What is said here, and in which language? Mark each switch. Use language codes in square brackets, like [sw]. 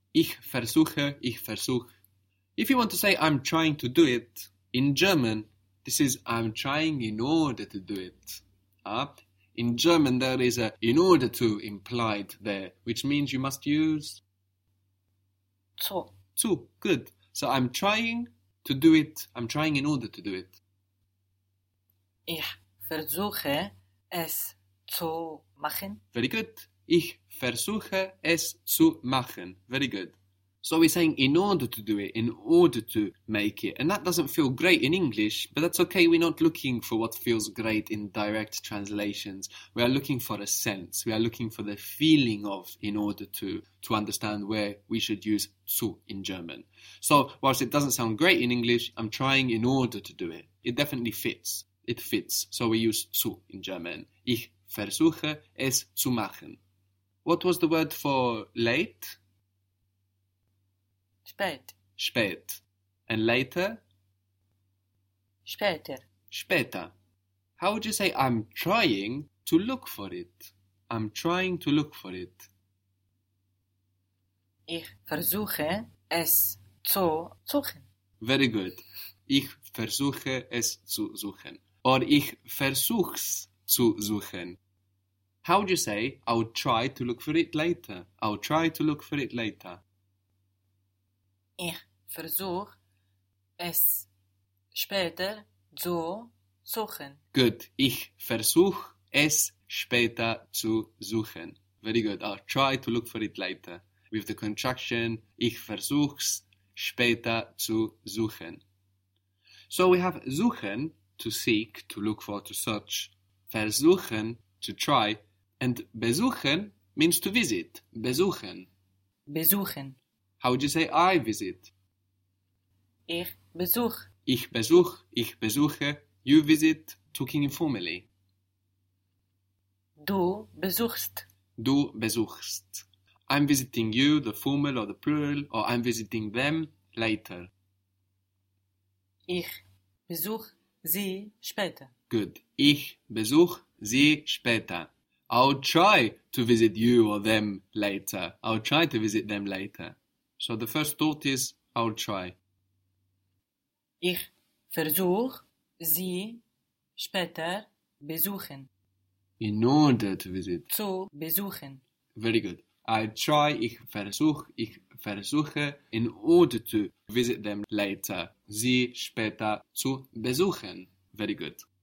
[de] Ich versuche, ich versuche. [en] If you want to say I'm trying to do it, in German, this is I'm trying in order to do it. In German, there is a in order to implied there, which means you must use [de] zu. [en] Good. So I'm trying to do it. I'm trying in order to do it. [de] Ich versuche es zu machen. [en] Very good. [de] Ich versuche es zu machen. [en] Very good. So we're saying in order to do it, in order to make it. And that doesn't feel great in English, but that's okay. We're not looking for what feels great in direct translations. We are looking for a sense. We are looking for the feeling of in order to understand where we should use zu in German. So whilst it doesn't sound great in English, I'm trying in order to do it. It definitely fits. It fits. So we use zu in German. Ich versuche es zu machen. What was the word for late? [de] Spät. [en] Spät. And later? [de] Später. Später. [en] How would you say I'm trying to look for it? I'm trying to look for it. [de] Ich versuche es zu suchen. [en] Very good. [de] Ich versuche es zu suchen. Or ich versuch's zu suchen. [en] How would you say I'll try to look for it later? I'll try to look for it later. [de] Ich versuch es später zu suchen. Good. Ich versuch es später zu suchen. [en] Very good. I'll try to look for it later. With the contraction, [de] ich versuch's später zu suchen. [en] So we have suchen, to seek, to look for, to search. Versuchen, to try. And besuchen means to visit. Besuchen. [de] Besuchen. [en] How would you say I visit? [de] Ich besuch. Ich besuch, ich besuche, [en] you visit, talking informally. [de] Du besuchst. Du besuchst. [en] I'm visiting you, the formal or the plural, or I'm visiting them later. [de] Ich besuch sie später. Good. Ich besuch sie später. [en] I'll try to visit you or them later. I'll try to visit them later. So the first thought is, I'll try. [de] Ich versuch sie später besuchen. [en] In order to visit. [de] Zu besuchen. [en] Very good. I try, [de] ich versuche, [en] in order to visit them later, [de] sie später zu besuchen. [en] Very good.